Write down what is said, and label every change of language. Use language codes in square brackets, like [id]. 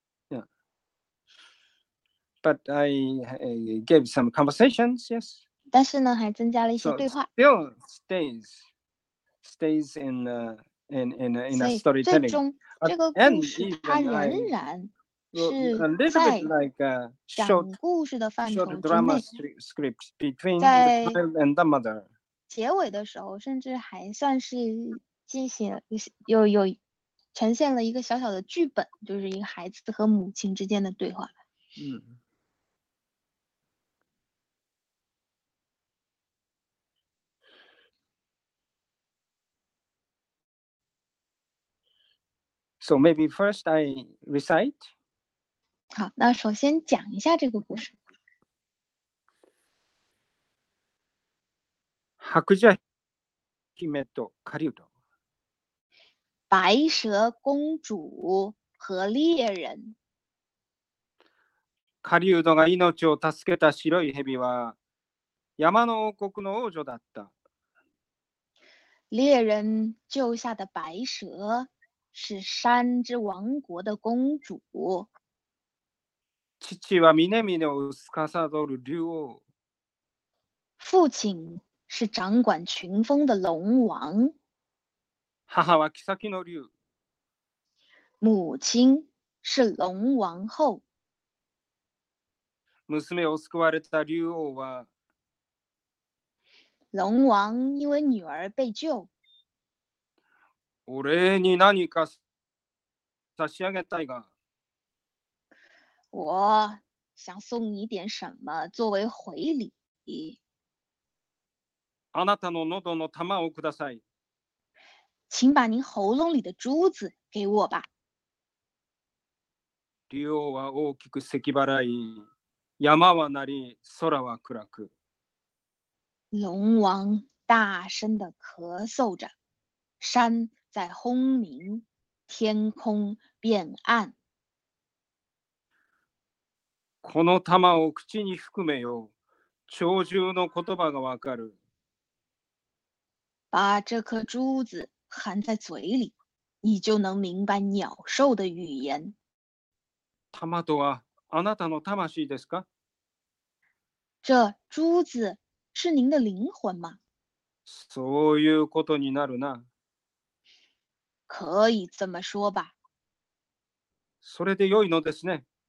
[en] Yes. Yeah. But I gave some conversations, yes. [zh] 但是呢还增加了一些对话。 [en] So still stays in a storytelling. [zh] 最终这个故事它仍然是在讲故事的范畴之内。 [en] Short drama script between the child and the mother. [zh] 结尾的时候甚至还算是进行有呈现了一个小小的剧本，就是一个孩子和母亲之间的对话。 [en] So maybe first I recite. [zh] 好，那首先讲一下这个故事。 [ja] 白蛇姫と狩人。 [zh] 白蛇公主和猎人。 [ja] 狩人が命を助けた白い蛇は山の王国の王女だった。 [zh] 猎人救下的白蛇是山之王国的公主。 [ja] 父は峰々を司る竜王。 [zh] 父亲是掌管群峰的龙王。 [ja] 母は妃の竜。 [zh] 母亲是龙王后。 [ja] 娘を救われた竜王は。 [zh] 龙王因为女儿被救。 [ja] お礼に何か差し上げたいが。 [zh] 我想送你点什么作为回礼。 [ja] あなたの喉の玉をください。 [zh] 请把您喉咙里的珠子给我吧。 [ja] 竜王は大きくせき払い、山は鳴り、空は暗く。 [zh] 龙王大声的咳嗽着，山在轰鸣，天空变暗。 [ja] この玉を口に含めよ、鳥獣の言葉がわかる。 [zh] 把这颗珠子含在嘴里，你就能明白鸟兽的语言。 [ja] 玉とはあなたの魂ですか？ [zh] 这珠子是您的灵魂吗？ [ja] そういうことになるな。 [zh] 可以这么说吧。 [ja] それでよいのですね。